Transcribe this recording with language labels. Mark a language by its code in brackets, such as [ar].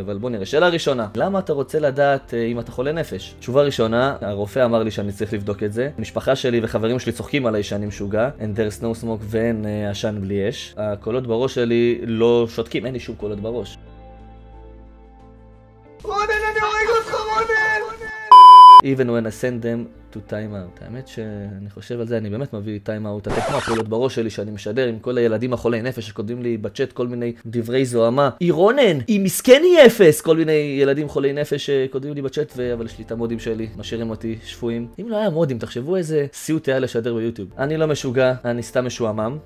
[he] אבל בוא נראה, שאלה ראשונה: למה אתה רוצה לדעת אם אתה חולה נפש? תשובה ראשונה: הרופא אמר לי שאני צריך לבדוק את זה. המשפחה שלי וחברים שלי צוחקים עליי שאני משוגע. [en] And there's no smoke [he] ואין עשן בלי אש. הקולות בראש שלי לא שותקים, אין לי שום קולות בראש. רונן, אני הורג אותך, רונן! [en] Even when I send them to time out. [he] האמת שאני חושב על זה, אני באמת מביא time out. אתם כמו הקולות בראש שלי שאני משדר עם כל הילדים החולי נפש שקודמים לי בצ'אט כל מיני דברי זוהמה. אירונן, היא מסכן היא אפס! כל מיני ילדים חולי נפש שקודמים לי בצ'אט, אבל יש לי את המודים שלי, משאירים אותי שפויים. אם לא היה מודים, תחשבו איזה סיוט היה לשדר ביוטיוב. אני לא משוגע, אני סתם משועמם.